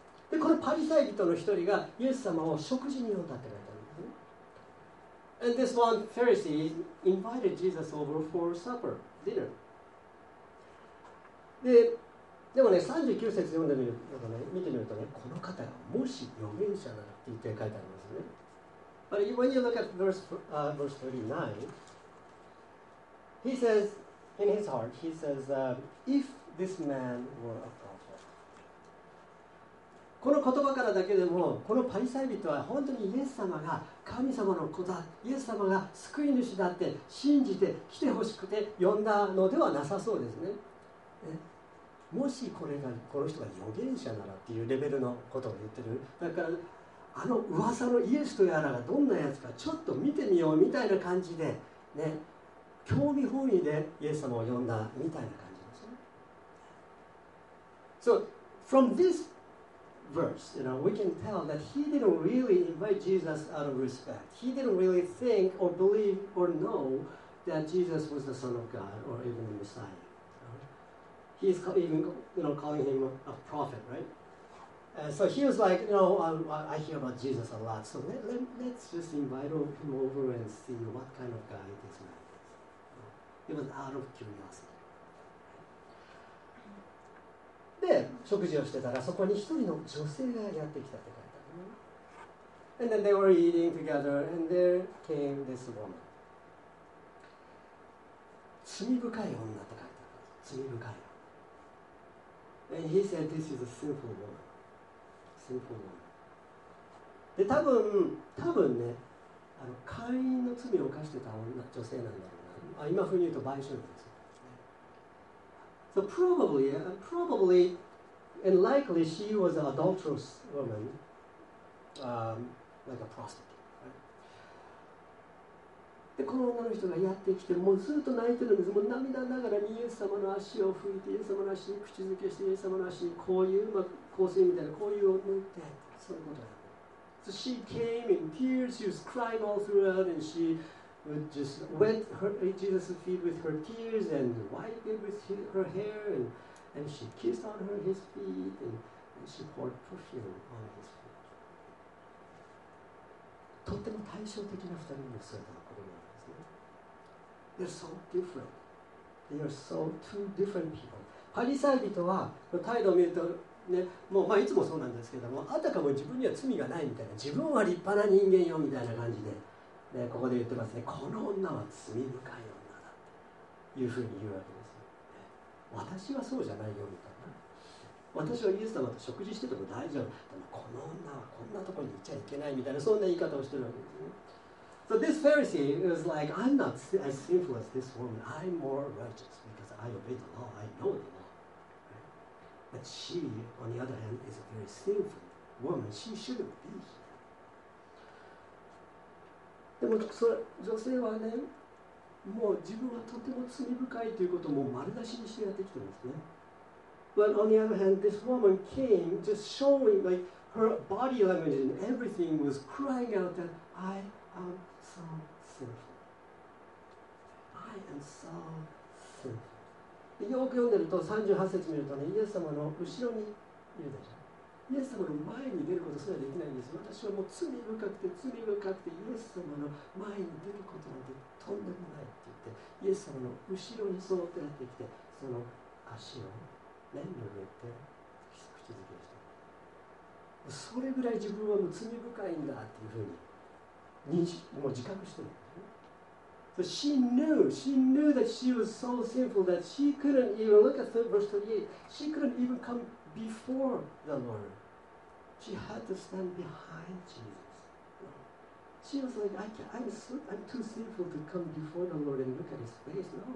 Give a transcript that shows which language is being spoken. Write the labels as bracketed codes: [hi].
[ja] で、このパリサイ人の一人がイエス様を食事に呼んだって書いてあるんです [en] ね。And this one Pharisee invited Jesus over for supper, dinner. [ja] で、でもね、39節読んでみるとね、見てみるとね、この方がもし預言者ならって言って書いてありますね。 [en] But when you look at verse 39, he says in his heart, he says, if this man were a prophet. [ja] この言葉からだけでも、このパリサイ人は本当にイエス様が神様の子だ、イエス様が救い主だって信じて来てほしくて呼んだのではなさそうですね。もしこれがこの人が預言者ならっていうレベルのことを言ってる。だから、あの噂のイエスとやらがどんなやつかちょっと見てみようみたいな感じで、ね、興味本位でイエス様を呼んだみたいな感じですね。 [en] So, from thisverse, you know, we can tell that he didn't really invite Jesus out of respect. He didn't really think or believe or know that Jesus was the Son of God or even the Messiah. He's even, you know, calling him a prophet, right? So he was like, you know, I hear about Jesus a lot, so let's just invite him over and see what kind of guy this man is. He was out of curiosity. [ja] で、食事をしてたら、そこに一人の女性がやってきたって書いてある [en] And then they were eating together, and there came this woman. [ja] 罪深い女って書いてある。罪深い。 [en] And he said, this is a sinful woman. Sinful woman. [ja] で、多分ね、あの会員の罪を犯してた女性なんだろうな。あ、今風に言うと売春です。 [en] So probably, probably and likely she was an adulterous woman, like a prostitute.、Right? [ja] で、この女の人がやってきて、もうずっと泣いてるんです。もう涙ながらにイエス様の足を拭いて、イエス様の足に口づけして、イエス様の足にこういう、まあ、香水みたいな、こういうを塗って、そういうことや。 [en] So she came in tears, she was crying all throughout, and she would just wet her, Jesus' feet with her tears and wipe it with her hair, and she kissed on her, his feet, and she poured perfume on his feet. [ja] とても対照的な二人の姿の子供なんですね。 [en] They're so different. They are so two different people. [ja] パリサイ人は、態度を見ると、ね、もうまあいつもそうなんですけども、あたかも自分には罪がないみたいな、自分は立派な人間よみたいな感じで、ね、ここで言ってますね。この女は罪深い女だっていうふうに言うわけですよ、ね、私はそうじゃないよみたいな、私はイエス様と食事してても大丈夫、でもこの女はこんなところに行っちゃいけないみたいな、そんな言い方をしてるわけですね。 [en] So this Pharisee was like, I'm not as sinful as this woman. I'm more righteous because I obey the law. I know the law. But she, on the other hand, is a very sinful woman. She shouldn't be here. [ja] でもそれ女性はね、もう自分はとても罪深いということをもう丸出しにしてやってきてるんですね。 [en] But on the other hand, this woman came just showing like her body language and everything was crying out that I am so sinful. I am so sinful. [ja] よく読んでると38節見るとね、イエス様の後ろにいるでしょ。イエス様の前に出ることすらできないんです。私はもう罪深くて罪深くて、イエス様の前に出ることなんてとんでもないって言って、イエス様の後ろにそってやってきて、その足を念を入れて口づけして、それぐらい自分はもう罪深いんだっていうふうに認識、もう自覚してる。 [en] So she knew, she knew that she was so sinful that she couldn't even look at verse 38. She couldn't even comeBefore the Lord, she had to stand behind Jesus. She was like, I'm too sinful to come before the Lord and look at His face.